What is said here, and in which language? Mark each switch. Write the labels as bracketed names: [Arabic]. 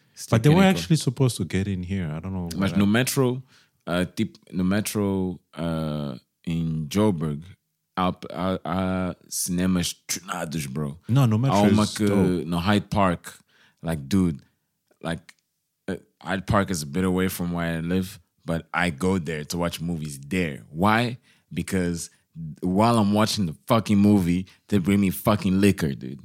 [English] But they were actually supposed to get in here. I don't know. [Portuguese] Mas no Metro, tipo, no Metro, em Joburg. Há cinemas tunados, bro. Não, no Metro. Há uma que no [English] Hyde Park, like, dude, like, Hyde Park is a bit away from where I live, but I go there to watch movies there. Why? Because while I'm watching the fucking movie, they bring me fucking liquor, dude.